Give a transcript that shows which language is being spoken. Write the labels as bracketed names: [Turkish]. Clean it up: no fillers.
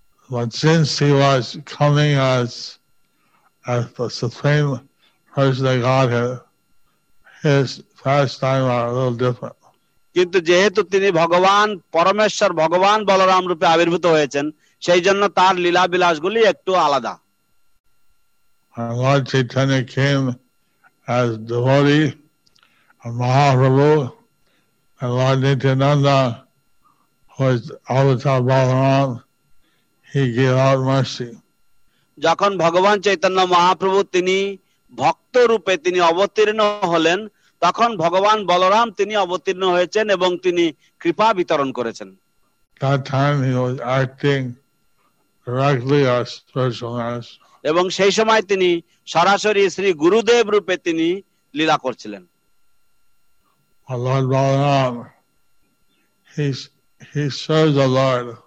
[English] But since he was coming as the Supreme Person of Godhead, his pastime are a little different. [Bangla] কিন্তু যেহেতু তিনি ভগবান পরমেশ্বর ভগবান বলরাম রূপে আবির্ভূত হয়েছেন, সেই জন্য তার লীলা বিলাস গুলি একটু আলাদা। [English] Lord Chaitanya came as devotee of Mahaprabhu, and Lord Nityananda, who is Avatar Balaram, he gave out mercy. [Bangla] যখন ভগবান চৈতন্য মহাপ্রভু তিনি ভক্ত রূপে তিনি অবতীর্ণ হলেন, তখন ভগবান বলরাম তিনি অবতীর্ণ হয়েছেন এবং তিনি কৃপা বিতরণ করেছেন। [English] That time he was acting directly as spiritual master. [Bangla] এবং সেই সময় তিনি সরাসরি শ্রী গুরুদেব রূপে তিনি লীলা করছিলেন। [English] Lord Balaram, he serves the Lord.